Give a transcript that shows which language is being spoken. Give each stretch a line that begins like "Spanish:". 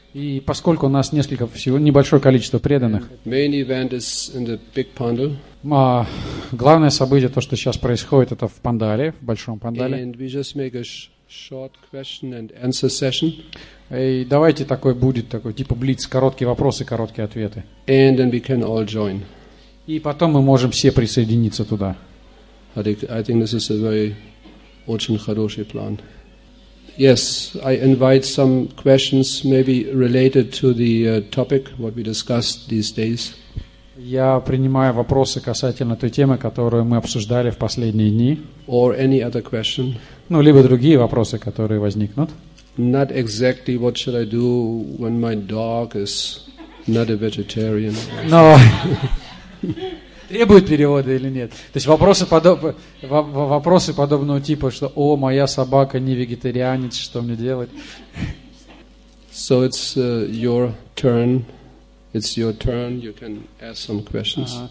Russian: И поскольку у нас несколько всего небольшое количество преданных,
English: main event is in the big pandal.
Russian: Главное событие, то, что сейчас происходит, это в Пандале, в большом Пандале.
English: And we just make a short question and answer session.
Russian: И давайте такой будет, такой типа блиц, короткие вопросы, короткие ответы.
English: And then we can all join.
Russian: И потом мы можем все присоединиться туда.
English: I think this is a very
Russian: очень хороший план.
English: Yes, I invite some questions, maybe related to the topic what we discussed these days.
Russian: Я принимаю вопросы касательно той темы, которую мы обсуждали в последние дни.
English: Or any other question.
Russian: Либо другие вопросы, которые возникнут.
English: Not exactly what should I do when my dog is not a vegetarian. No.
Russian: Требует перевода или нет? То есть вопросы подобного типа, что «О, моя собака не вегетарианец, что мне делать?»
English: So it's your turn. It's your turn. You can ask some questions.